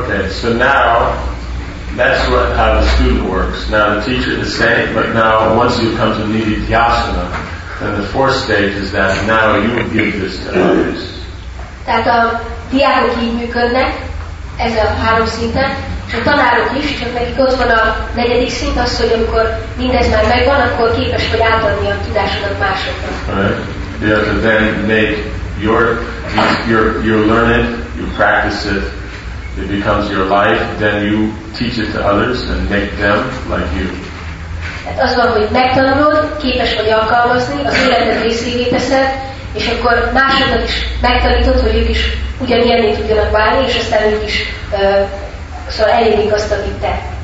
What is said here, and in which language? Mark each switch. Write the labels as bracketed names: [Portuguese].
[English] So now, that's what how the student works. Now the teacher is saying, but now once you come to Nididhyasana, then the fourth stage is that now you give this to others. [Hungarian] Tehát a diákok így működnek, ez a három szinten, és a tanárok is, csak nekik ott van a negyedik szint, az, hogy amikor mindez már megvan, akkor képes vagy átadni a tudásodat másoknak. [English] Right. You have to then make your learn it, you practice it, it becomes your life, then you teach it to others and make them like you. [Hungarian] Tehát az van, hogy megtanulod, képes vagy alkalmazni, az életed részévé teszed, és akkor másoknak is megtanítod, hogy ők is ugyanilyenné tudjanak válni, és aztán ők is szóval elérik azt, amit te.